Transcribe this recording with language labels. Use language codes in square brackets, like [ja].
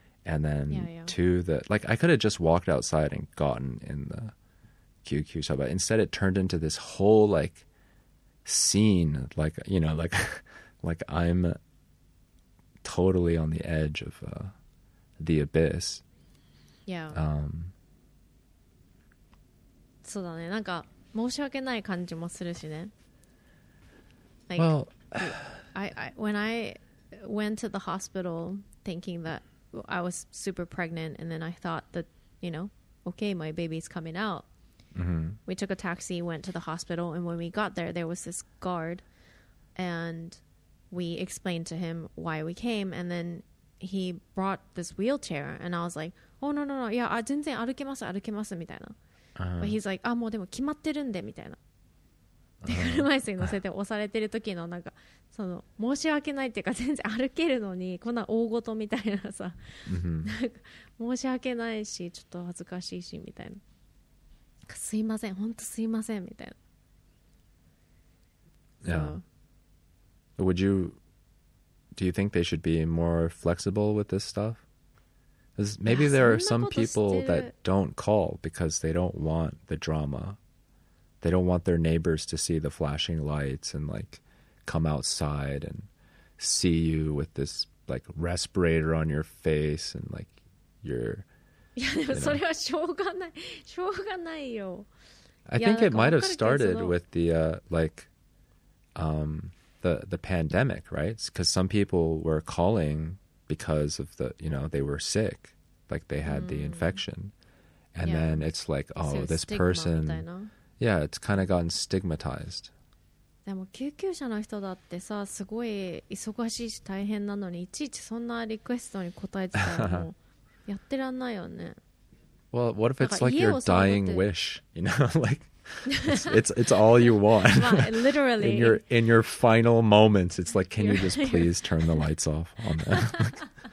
[en] And then I could have just walked outside and gotten in the kyūkyūsha, but instead it turned into this whole like scene, like, you know, like I'm totally on the edge of the abyss. Yeah. [ja] そうだね。なんか申し訳ない感じもするしね。 [en] Like, well, I went to the hospital thinking that I was super pregnant, and then I thought that, you know, okay, my baby's coming out. We took a taxi, went to the hospital, and when we got there, there was this guard, and we explained to him why we came, and then he brought this wheelchair, and I was like, oh, no, yeah, [ja] 全然歩けます歩けますみたいな。 [en] But he's like, ah, [ja] もうでも決まってるんでみたいな。で、車椅子に乗せて押されてる時のなんか、その申し訳ないっていうか、全然歩けるのにこんな大ごとみたいなさ、なんか申し訳ないし、ちょっと恥ずかしいしみたいな。すいません、本当すいませんみたいな。 [en] Yeah. Do you think they should be more flexible with this stuff? Because maybe there are some people that don't call because they don't want the drama. They don't want their neighbors to see the flashing lights and like come outside and see you with this like respirator on your face and like you're... Yeah, but [ja] それはしょうがない。しょうがないよ。 [en] I think it might have started with the pandemic, right? Because some people were calling... because of the, you know, they were sick, like they had the infection. And then it's like, oh, so this person, yeah, it's kind of gotten stigmatized. [ja] でも救急車の人だってさ、すごい忙しいし大変なのに、いちいちそんなリクエストに答えてたらもうやってらんないよね。 [en] Well, what if it's like your dying wish, you know, like... it's all you want. Literally. In your final moments, it's like, can you just please turn the lights off on that?